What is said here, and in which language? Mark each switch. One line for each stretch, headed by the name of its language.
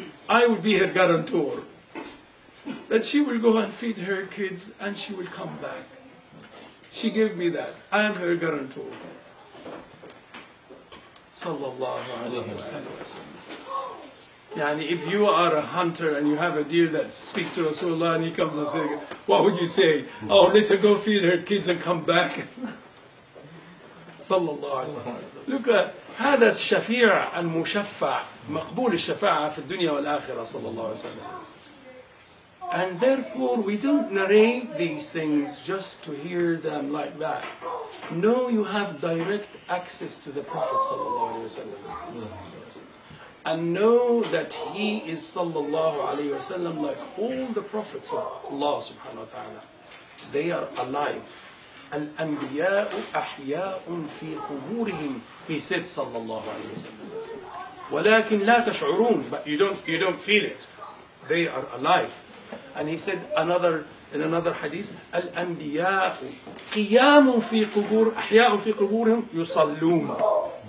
English: I would be her guarantor that she will go and feed her kids and she will come back. She gave me that. I am her guarantor. Sallallahu alayhi wa sallam. Yani, if you are a hunter and you have a deer that speaks to Rasulullah and he comes and says, what would you say? Oh, let her go feed her kids and come back. Sallallahu alayhi wa sallam. Look at
Arabic: هذا الشفيع المشفع مقبول الشفاعة في الدنيا والآخرة صلى الله عليه وسلم.
English: And therefore we don't narrate these things just to hear them like that. No, you have direct access to the Prophet
Arabic: صلى الله عليه وسلم.
English: And know that he is
Arabic: صلى الله عليه وسلم
English: like all the prophets of Allah
Arabic: سبحانه وتعالى.
English: They are alive.
Arabic: الأنبياء أحياء في قبورهم.
English: He said, sallallahu alayhi wa sallam.
Arabic: وَلَكِنْ لَا تَشْعُرُونَ.
English: But you don't feel it. They are alive. And he said in another hadith,
Arabic: الْأَنْبِيَاءُ قِيَامٌ فِي قُبُورِ أَحْيَاءٌ فِي قُبُورِهِمْ يُصَلُّونَ.